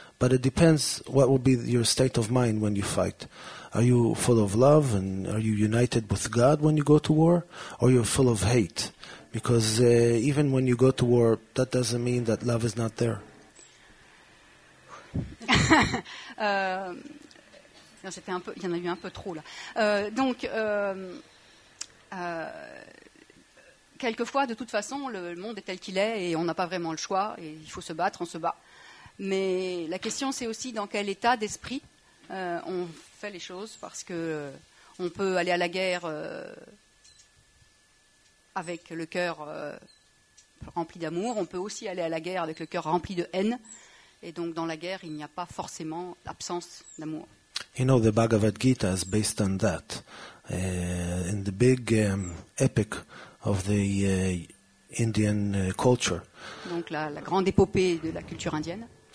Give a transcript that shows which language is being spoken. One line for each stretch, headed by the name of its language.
English: But it depends what will be your state of mind when you fight. Are you full of love and are you united with God when you go to war? Or you're full of hate? Because even when you go to war, that doesn't mean that love is not there.
French: C'était un peu, il y en a eu un peu trop là. Quelquefois, de toute façon, le monde est tel qu'il est et on n'a pas vraiment le choix. Et il faut se battre, on se bat. Mais la question, c'est aussi dans quel état d'esprit on fait les choses, parce que on peut aller à la guerre avec le cœur rempli d'amour. On peut aussi aller à la guerre avec le cœur rempli de haine. Et donc, dans la guerre, il n'y a pas forcément l'absence d'amour.
English: You know, the Bhagavad Gita is based on that. In the big epic of the Indian culture.
French: Donc la grande épopée de la culture indienne.